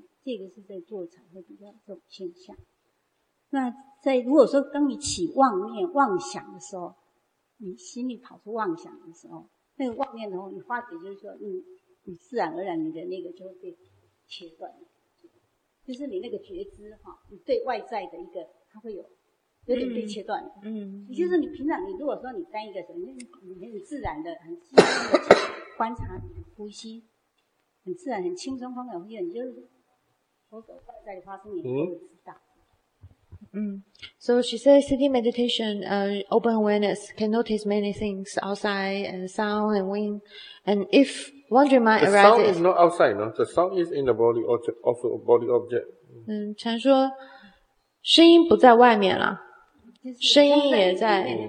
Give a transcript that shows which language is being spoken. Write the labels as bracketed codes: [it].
[zh] 这个是在坐禅会比较这种现象。那在如果说当你起妄念、妄想的时候，你心里跑出妄想的时候，那个妄念的话，你化解就是说，你自然而然你的那个就会被切断，就是你那个觉知哈，你对外在的一个，它会有点被切断。嗯，也就是你平常你如果说你单一个人，你很自然的、很轻松的观察你的呼吸，很自然、很轻松、放松呼吸，你就是所有外在的发生，你都会知道。 [en] So she says sitting meditation, open awareness, can notice many things outside and sound and wind. And if wandering mind arises. The sound is not outside, no? The sound is in the body object, of a body object. [zh] 嗯，禅说声音不在外面了，声音也在。